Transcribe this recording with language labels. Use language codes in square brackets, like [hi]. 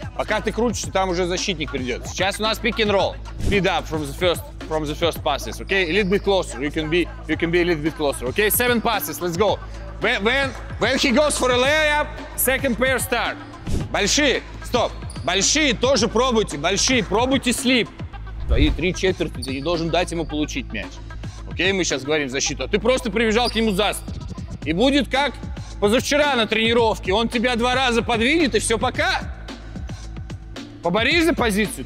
[ru] Пока ты крутишься, там уже защитник придет. Сейчас у нас [en] pick and roll. Speed up from the first passes, okay? A little bit closer. You can be a little bit closer, okay? Seven passes, let's go. When he goes for a layup, second pair start. [ru] Большие, стоп. Большие тоже пробуйте, большие, пробуйте слип. Твои три четверти, ты не должен дать ему получить мяч. Окей, мы сейчас говорим защиту. А ты просто прибежал к нему за спину. И будет как позавчера на тренировке. Он тебя два раза подвинет, и все, пока. Поборись за позицию.